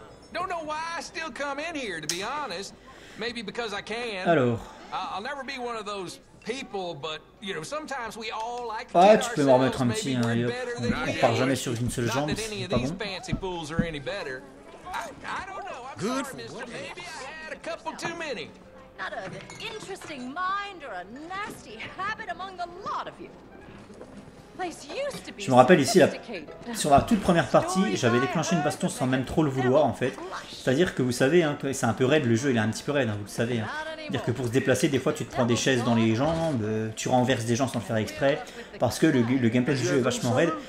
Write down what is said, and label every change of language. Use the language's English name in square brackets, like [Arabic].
[English] Don't know why I still come in here, to be honest. Maybe because I can. [French] Alors. [English] I'll never be one of those people, but you know, sometimes we all like to [French] tu peux m'en mettre un petit, hein, [English] yep. [French] On part jamais sur une seule jambe, c'est pas bon. [English] Fancy fools are any better. I don't know. I'm good sorry, for Mr. Maybe I had a couple too many. Not an interesting mind or a nasty habit among the lot of you. [French] Je me rappelle ici, sur la toute première partie, j'avais déclenché une baston sans même trop le vouloir en fait. C'est-à-dire que vous savez, hein, que c'est un peu raide, le jeu il est un petit peu raide, hein, vous le savez. Hein. C'est-à-dire que pour se déplacer, des fois tu te prends des chaises dans les jambes, tu renverses des gens sans le faire exprès, parce que le gameplay du jeu est vachement raide.